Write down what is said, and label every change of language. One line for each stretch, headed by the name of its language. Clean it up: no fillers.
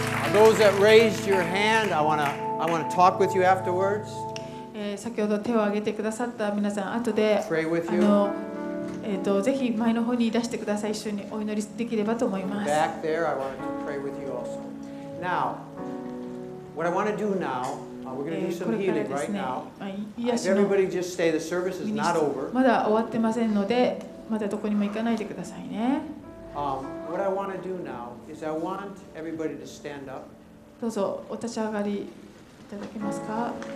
English: Those that raised your hand, I want to talk with you afterwards.
Japanese: 先ほど手を挙げてくださった皆さん、後で
English: pray with you.
Japanese: ぜひ前の方にいらしてください。一緒にお祈りできればと思います。
English: Back there, I wanted to pray with you also. Now, what I want to do now, we're going to do some healing right now. Everybody just stay. The service is not over.
Japanese: まだ終わってませんので、まだどこにも行かないでくださいね。
English: What I want to do now is I want everybody to stand up.
Japanese: どうぞお立ち上がりいただけますか。